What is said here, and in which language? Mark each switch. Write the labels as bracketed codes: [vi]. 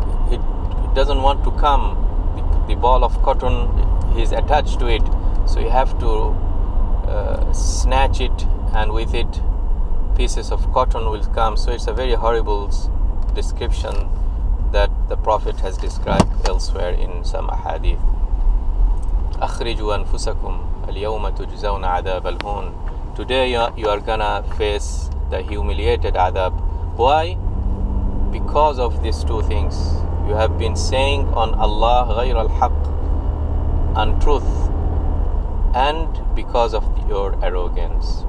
[en] It doesn't want to come. The ball of cotton is attached to it, so you have to snatch it, and with it pieces of cotton will come. So it's a very horrible description that the Prophet has described elsewhere in some ahadith. [ar] أخرجوا أنفسكم اليوم تجزون عذاب الهون. [en] Today you are gonna face the humiliated adab. Why? Because of these two things. You have been saying on Allah [ar] غير الحق, [en] untruth, and because of your arrogance.